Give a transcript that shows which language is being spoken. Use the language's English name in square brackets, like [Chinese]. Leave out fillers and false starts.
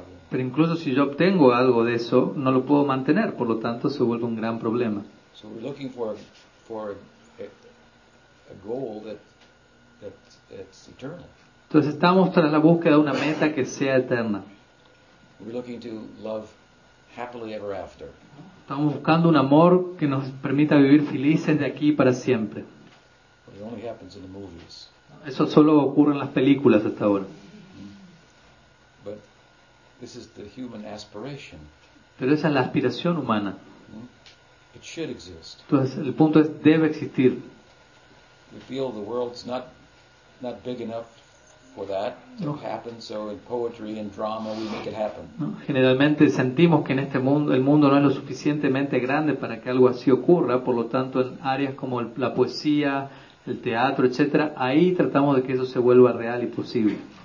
[Spanish] Pero incluso si yo obtengo algo de eso, no lo puedo mantener, por lo tanto se vuelve un gran problema. [English] So we're looking for a goal that's eternal. [Spanish] Entonces estamos tras la búsqueda de una meta que sea eterna. [English] We're looking to love happily ever after. [Spanish] Estamos buscando un amor que nos permita vivir felices de aquí para siempre. [English] It only happens in the movies. [Spanish] Eso solo ocurre en las películas hasta ahora. [English] But this is the human aspiration. [Spanish] Pero esa es la aspiración humana. [English] It should exist. [Spanish] Entonces el punto es, debe existir. [English] We feel the world's not big enough for that to happen, so in poetry and drama we make it happen. [Spanish] ¿No? Generalmente sentimos que en este mundo el mundo no es lo suficientemente grande para que algo así ocurra, por lo tanto en áreas como la poesía, el teatro, etcétera, ahí tratamos de que eso se vuelva real y posible.